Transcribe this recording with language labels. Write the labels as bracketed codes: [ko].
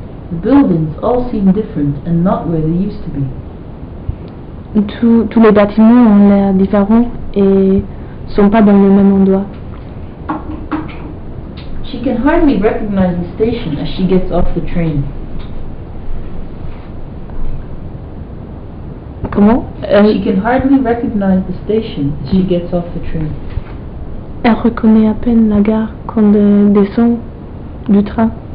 [en] The buildings all seem different and not where they used to be. [fr] Tous les bâtiments ont l'air différents et sont pas dans le même endroit. [en] She can hardly recognize the station as she gets off the train. [fr] Comment? [en] She can hardly recognize the station as she gets off the train. [fr] Elle reconnaît à peine la gare quand elle descend du train.